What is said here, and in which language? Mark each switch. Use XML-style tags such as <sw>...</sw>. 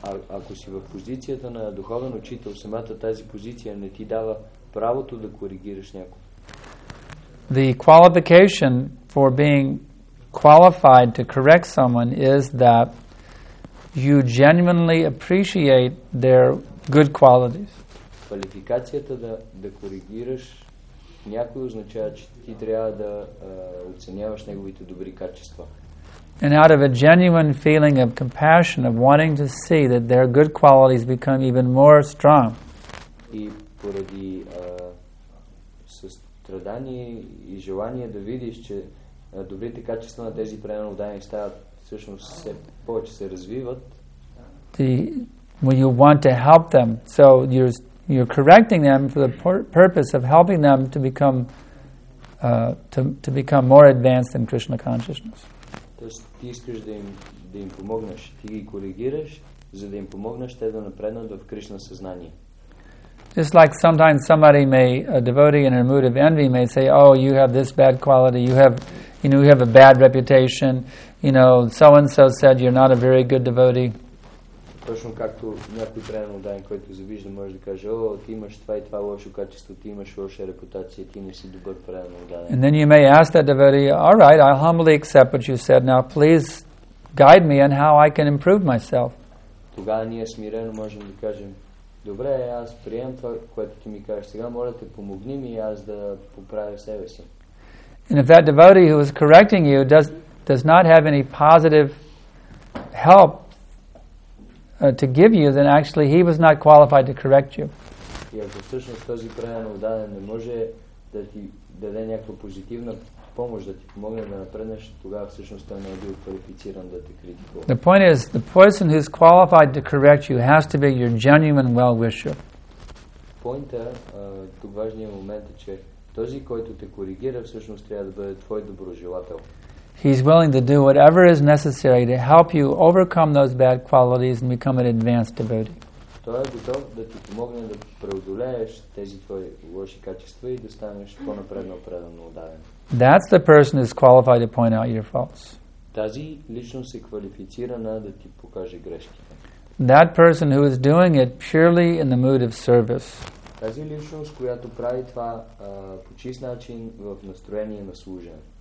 <bg>Ако си в позицията на духовен учител, самата тази позиция не ти дава правото да коригираш някого.</bg> <en>The qualification for being qualified to correct someone is that you genuinely appreciate their good qualities.</en> <bg>Квалификацията да коригираш някой означава, че ти трябва да оценяваш неговите добри качества.</bg> <en>And out of a genuine feeling of compassion, of wanting to see that their good qualities become even more strong.</en> <bg>И поради състрадание и желание да видиш, че добрите качества на тези преднаудани стават всъщност все повече се развиват.</bg> <en>When you want to help them, so you're correcting them for the purpose of helping them to become to become more advanced in Krishna consciousness.</en> <bg>Ти искаш да им помогнеш, ти ги коригираш, за да им помогнеш те да напреднат в Кришна съзнание.</bg> <en>Just like sometimes somebody may, a devotee in a mood of envy may say, oh, you have this bad quality, you have a bad reputation, you know, so-and-so said you're not a very good devotee.</en> <bg>Точно както някой преднаудан, който завижда, може да каже, о, ти имаш това и това лошо качество, ти имаш лоша репутация, ти не си добър преднаудан.</bg> <en>And then you may ask that devotee, all right, I'll humbly accept what you said, now please guide me on how I can improve myself.</en> <bg>Тогава ние смирено можем да кажем, добре, аз приемам това, което ти ми кажеш, сега моля те, помогни ми аз да поправя себе си.</bg> <en>And if that devotee who is correcting you does not have any positive help to give you, then actually he was not qualified to correct you.</en> <bg>И ако всъщност този преднаудан не може да ти даде някаква позитивна помощ, да ти помогне да напреднеш, тогава всъщност той не е бил квалифициран да те критикува.</bg> <en>The point is, the person who is qualified to correct you has to be your genuine well-wisher.</en> <bg>Поинта, тук важният момент е, че този, който те коригира, всъщност трябва да бъде твой доброжелател.</bg> <en>He's willing to do whatever is necessary to help you overcome those bad qualities and become an advanced devotee.</en> <bg>Той е готов да ти помогне да преодолееш тези твои лоши качества и да станеш по-напредно преданоудаден.</bg> <en>That's the person who's qualified to point out your faults.</en> <bg>Тази личност е квалифицирана да ти покаже грешките.</bg> <en>That person who is doing it purely in the mood of service.</en> <bg>Тази личност, която прави това по чист начин в настроение на служене.</bg>